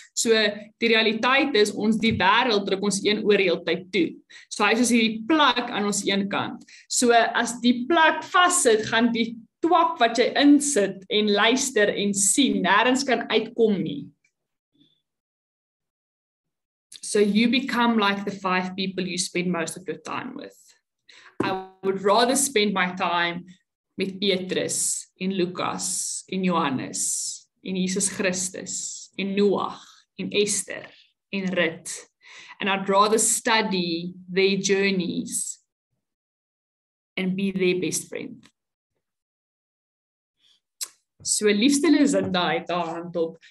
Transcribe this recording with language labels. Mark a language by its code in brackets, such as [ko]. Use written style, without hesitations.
[af] So die realiteit is ons die wêreld druk ons een oor heeltyd toe. So hy is soos hierdie plak aan ons een kant. So as die plak vassit, gaan die twak wat jy insit en luister en sien nêrens kan uitkom nie. [en] So you become like the 5 people you spend most of your time with. I would rather spend my time met Petrus en Lukas en Johannes en Jesus Christus en Noag en Esther en Rut. And I'd rather study their journeys and be their best friend. [af] So liefste Lizinda het haar hand op.